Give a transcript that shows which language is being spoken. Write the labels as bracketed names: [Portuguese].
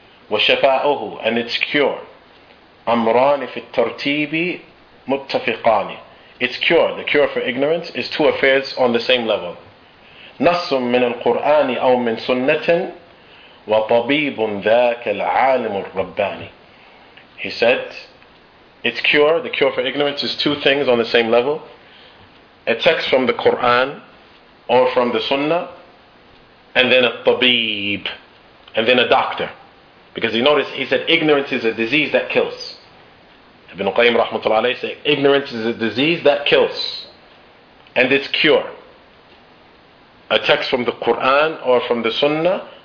[English] Wa shafa'uhu, and it's cure. [Arabic] أمران في الترتيب متفقان. [English] It's cure. The cure for ignorance is two affairs on the same level. [Arabic] نص من القرآن أو من سنة وطبيب ذاك العالم الرباني. [English] He said, it's cure. The cure for ignorance is two things on the same level. A text from the Quran or from the Sunnah, and then a طبيب, and then a doctor. Because you notice, he said, ignorance is a disease that kills. Ibn Qayyim rahmatullah alayhi said, ignorance is a disease that kills, and its cure, a text from the Quran or from the Sunnah,